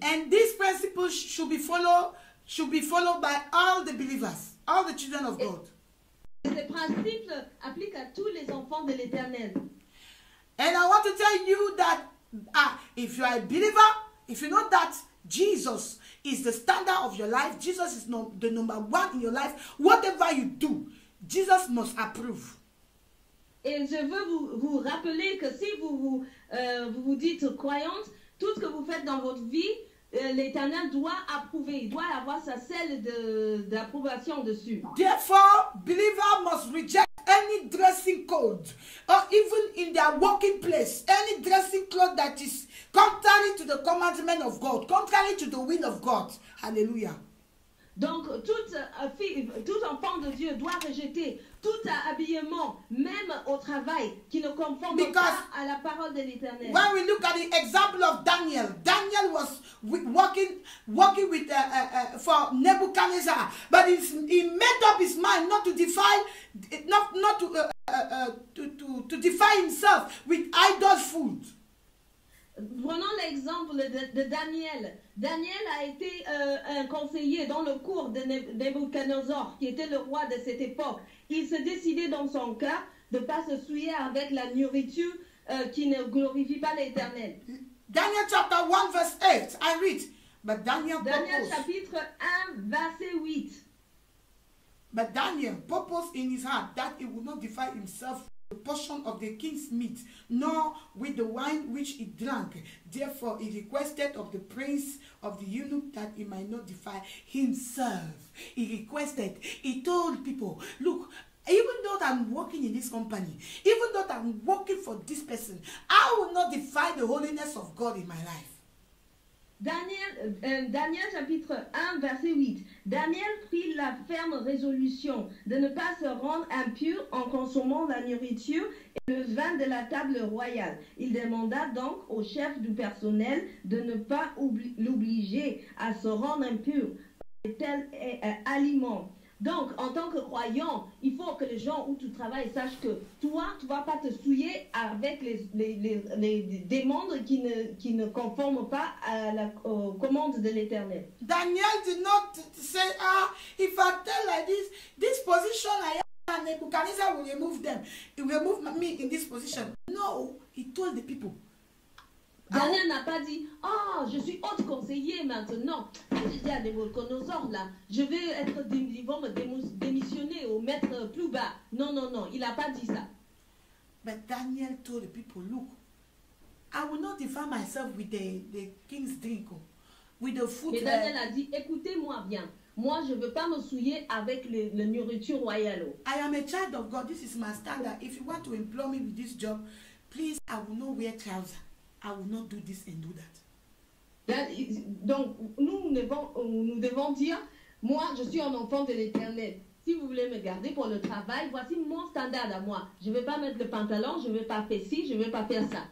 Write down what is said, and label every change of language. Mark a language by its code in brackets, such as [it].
[en] And these principles should be followed by all the believers, all the children of God. [fr] Ces principes appliquent à tous les enfants de l'Éternel. [en] And I want to tell you that if you are a believer, if you know that Jesus is the standard of your life, Jesus is the number one in your life, whatever you do, Jesus must approve. [fr] Et je veux vous rappeler que si vous dites croyante, tout ce que vous faites dans votre vie, l'Éternel doit approuver, il doit avoir sa selle d'approbation dessus. [en] Therefore, believers must reject any dressing code, or even in their working place, any dressing code that is contrary to the commandment of God, contrary to the will of God. Hallelujah. [fr] Donc, tout enfant de Dieu doit rejeter tout habillement, même au travail, qui ne conforme pas à la parole de l'Éternel. [en] When we look at the example of Daniel was working with for Nebuchadnezzar, but he made up his mind not to defy, not to defy himself with idol food. [fr] Prenons l'exemple de Daniel. Daniel a été un conseiller dans le cours de Nebuchadnezzar, qui était le roi de cette époque. Il se décidait dans son cœur de ne pas se souiller avec la nourriture qui ne glorifie pas l'Éternel. [en] Daniel chapter 1 verse 8, I read. But Daniel proposed. [fr] Daniel chapitre 1 verset 8. [en] But Daniel proposed in his heart that he would not defy himself the portion of the king's meat, nor with the wine which he drank. Therefore, he requested of the prince of the eunuch that he might not defy himself. He requested, he told people, look, even though I'm working in this company, even though I'm working for this person, I will not defy the holiness of God in my life. [fr] Daniel chapitre 1, verset 8. Daniel prit la ferme résolution de ne pas se rendre impur en consommant la nourriture et le vin de la table royale. Il demanda donc au chef du personnel de ne pas l'obliger à se rendre impur par tel aliment. Donc, en tant que croyant, il faut que les gens où tu travailles sachent que toi, tu ne vas pas te souiller avec les demandes qui ne conforment pas à la commande de l'Éternel. [en] Daniel did not say, ah, if I tell like this, this position I am, Nebuchadnezzar will remove them, will remove me in this position. No, he told the people. [fr] Daniel n'a pas dit, ah, oh, je suis haute conseiller maintenant. J'ai dit à Nebuchadnezzar, là, je vais être, ils vont me démissionner ou mettre plus bas. Non, non, non, il n'a pas dit ça. [en] But Daniel told the people, look, I will not defile myself with the king's drink, with the food. [fr] Mais Daniel a dit, écoutez-moi bien, moi je ne veux pas me souiller avec la nourriture royale. [en] I am a child of God, this is my standard. If you want to employ me with this job, please, I will not wear trousers. I will not do this and do that. [fr] Donc, nous devons dire, moi, je suis un enfant de l'Éternel. Si vous voulez me garder pour le travail, voici mon standard à moi. Je ne vais pas mettre le pantalon, je ne vais pas faire ci, je ne vais pas faire ça.